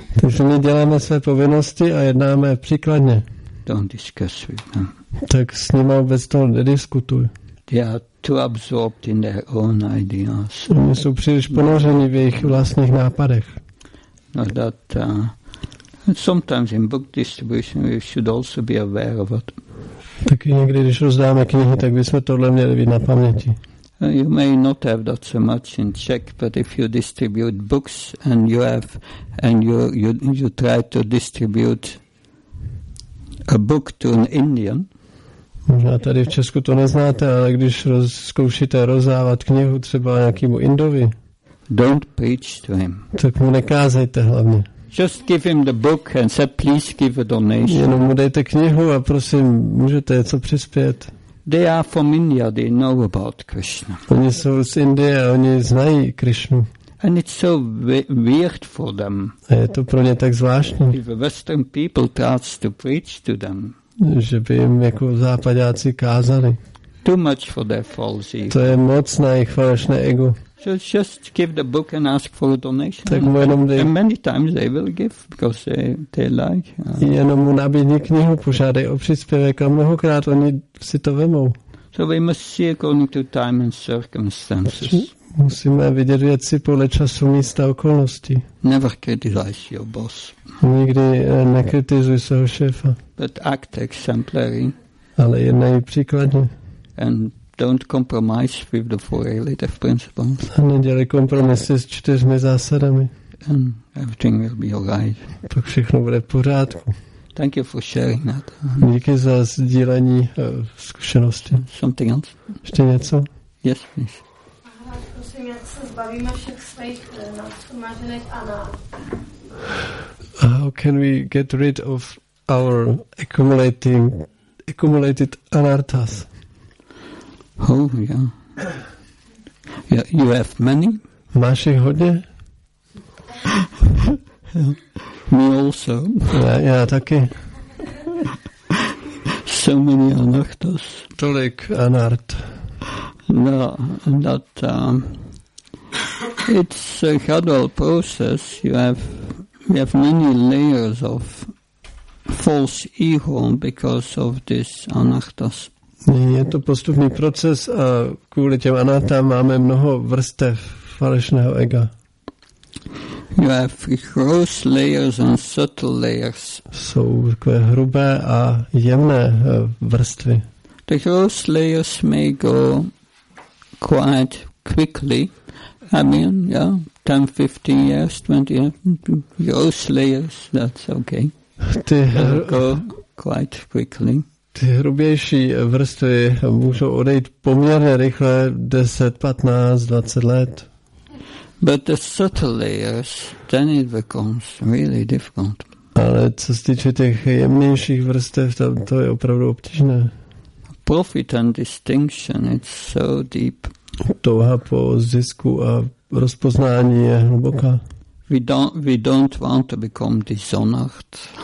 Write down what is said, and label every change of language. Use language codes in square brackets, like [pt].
[cs] Takže my děláme své povinnosti a jednáme příkladně. [en] Don't discuss with them. [cs] Tak s nima vůbec toho nediskutuj. [en] They are too absorbed in their own ideas. [cs] Oni jsou příliš ponořeni v jejich vlastních nápadech. [en] No that sometimes in book distribution we should also be aware of it. [cs] Tak někdy, když rozdáme knihy, tak bychom tohle měli být na paměti. [en] You may not have that so much in Czech, but if you distribute books and you have and you try to distribute a book to an Indian. [cs] Možná tady v Česku to neznáte, ale když zkoušíte rozdávat knihu třeba nějakému Indovi. [en] Don't preach to him. [cs] Tak mu nekázejte hlavně. [en] Just give him the book and say, please give a donation. [cs] Jenom mu dejte knihu a prosím, můžete něco přispět. [en] They are from India, they know about Krishna. [cs] Oni jsou z Indie a oni znají Krishnu. [en] And it's so weird for them. [cs] A je to pro ně tak zvláštní. [en] If a Western people tries to preach to them. [cs] Že by jim jako západáci kázali. [en] Too much for their false ego. [cs] To je moc na jejich falešné ego. [en] So just give the book and ask for a donation. [cs] Tak mu jenom dej. [en] And many times they will give because they like. [cs] Jenom mu nabídni knihu, požádej o příspěvek a mnohokrát oni si to vemou. [en] So we must see according to time and circumstances. [cs] Musíme vidět věci podle času, místa, okolností. [en] Never criticize your boss. [cs] Nikdy nekritizuj svého šéfa. [en] But act exemplary. [cs] Ale jednej příkladně. [en] And don't compromise with the four relative principles. [cs] A nedělej kompromisy s čtyřmi zásadami. [en] And everything will be alright. [cs] Tak všechno bude v pořádku. [en] Thank you for sharing that. [cs] Díky za sdílení zkušenosti. [en] Something else? [cs] Ještě něco? [en] Yes, please. [cs] Prosím, jak se zbavíme všech svých nadsumážených anád? [en] How can we get rid of our accumulated anarthas? Oh, yeah. You have many? [cs] Máš jich hodně? [en] Me also. [cs] Já taky. [en] So many anarthas. [cs] Tolik anarth. [en] No, that it's a gradual process. You have many layers of false ego because of this anarthas. [cs] Je to postupný proces a kvůli těm anartám máme mnoho vrstev falešného ega. [en] You have gross layers and subtle layers. [cs] Jsou takové hrubé a jemné vrstvy. [en] The gross layers may go quite quickly. I mean, yeah, 10, 15 years, 20 years. Gross layers, that's okay. Go quite quickly. [cs] Ty hrubější vrstvy můžou odejít poměrně rychle, 10, 15, 20 let. [en] But the subtle layers, then it becomes really difficult. [cs] Ale co se týče těch jemnějších vrstev, tam to je opravdu obtížné. [en] Profit and distinction, it's so deep. [cs] Touha po zisku a rozpoznání je hluboká. [en] We don't want to become dishonored.